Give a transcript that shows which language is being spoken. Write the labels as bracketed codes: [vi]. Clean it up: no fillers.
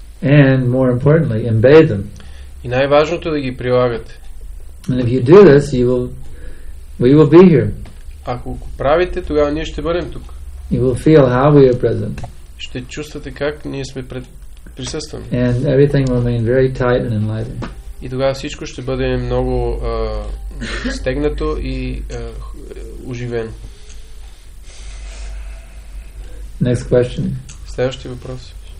[en] And more importantly, embed them. [bg] И най-важното е да ги прилагате. [en] And if you do this, you will, we will be here. [bg] Ако го правите, тогава ние ще бъдем тук. [en] You will feel how we are present. [bg] Ще чувствате как ние сме присъстваме. [en] And everything will remain very tight and enlightened. [bg] И тогава всичко ще бъде много стегнато и оживено. [en] Next question. [bg] Следващи въпроси.